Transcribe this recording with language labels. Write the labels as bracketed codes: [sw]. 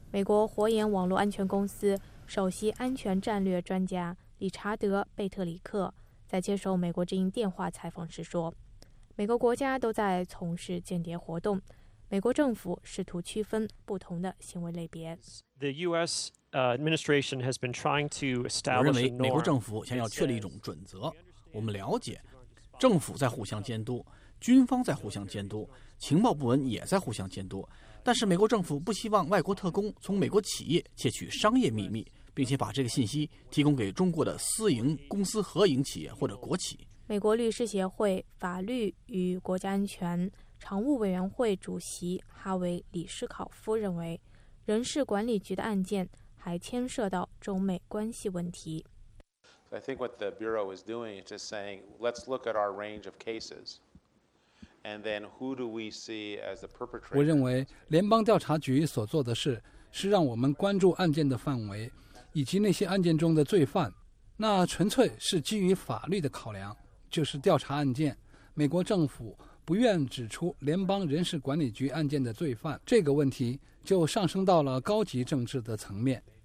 [zh] 美国火眼网络安全公司首席安全战略专家理查德·贝特里克在接受美国之音电话采访时说，每个国家都在从事间谍活动，美国政府试图区分不同的行为类别。 [en] Administration has been trying to establish. [zh] 我认为美国政府想要确立一种准则。我们了解，政府在互相监督，军方在互相监督，情报部门也在互相监督。但是美国政府不希望外国特工从美国企业窃取商业秘密，并且把这个信息提供给中国的私营公司、合营企业或者国企。美国律师协会法律与国家安全常务委员会主席哈维·李斯考夫认为，人事管理局的案件还牵涉到中美关系问题。 [en] I think what the bureau is doing is just saying, let's look at our range of cases, and then who do we see as the perpetrator? [zh] 我认为联邦调查局所做的事是让我们关注案件的范围，以及那些案件中的罪犯。那纯粹是基于法律的考量，就是调查案件。美国政府不愿指出联邦人事管理局案件的罪犯，这个问题就上升到了高级政治的层面。